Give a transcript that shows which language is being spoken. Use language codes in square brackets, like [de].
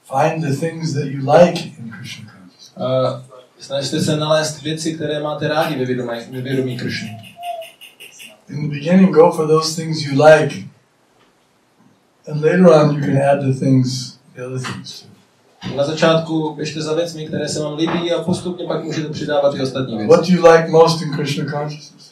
[en] Find the things that you like in Krishna consciousness. [cs] Snažte se nalézt věci, které máte rádi ve vědomí Krishna. [en] In the beginning, go for those things you like, and later on, you can add the other things. [cs] Na začátku běžte za věcmi, které se vám líbí, a postupně pak můžete přidávat i ostatní věci. [en] What do you like most in Krishna consciousness?